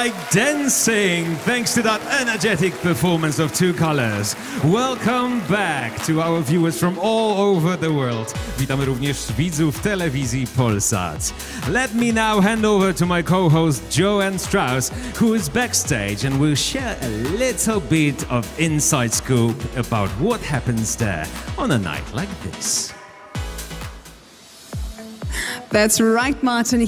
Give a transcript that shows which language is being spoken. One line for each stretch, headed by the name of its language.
English: Dancing thanks to that energetic performance of Two Colors. Welcome back to our viewers from all over the world.
Polish: Witamy również widzów telewizji Polsat.
English: Let me now hand over to my co-host Joanne Strauss, who is backstage and will share a little bit of inside scoop about what happens there on a night like this. That's right, Martin.